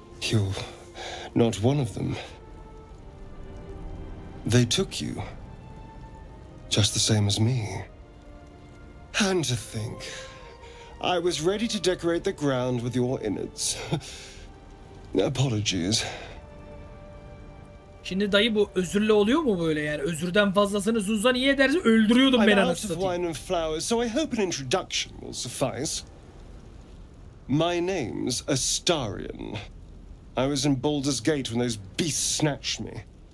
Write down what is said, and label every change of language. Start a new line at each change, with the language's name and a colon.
English: You're not one of them. They took you. Just the same as me. And to think, I was ready to decorate the ground with your innards. Apologies.
Turkish: Şimdi dayı bu özürle oluyor mu böyle yani? Özürden fazlasını Zuza niye ederse öldürüyordum ben anasını satayım.
English: I'm out of wine and flowers, so I hope an introduction will suffice. My name's Astarion. I was in Baldur's Gate when those beasts snatched me.